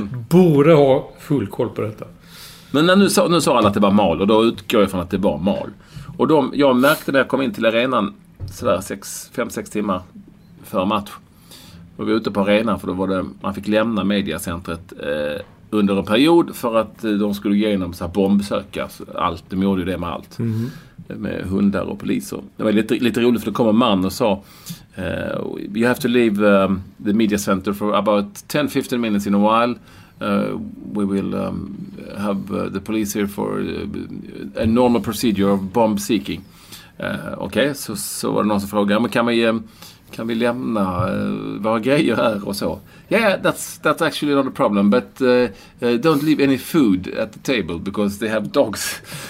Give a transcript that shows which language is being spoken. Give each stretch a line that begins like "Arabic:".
Swedish: borde ha full koll på detta. Men när nu sa alla att det var mal, och då utgår jag från att det var mal. Och de, jag märkte när jag kom in till arenan sådär 5-6 timmar för match. Och vi var ute på arenan, för då var det, man fick lämna mediacentret under en period för att de skulle igenom så här bombsöka. Så allt, de gjorde ju det med allt. Mm-hmm. Med hundar och poliser. Det var lite roligt, för det kom en man och sa
English: you have to leave the media center for about 10-15 minutes in a while. We will have the police here for a normal procedure of bomb seeking.
Swedish: Okej, okay, så var det någon som frågade, men kan vi lämna våra grejer här och så?
English: Yeah, that's actually not a problem, but don't leave any food at the table because they have dogs.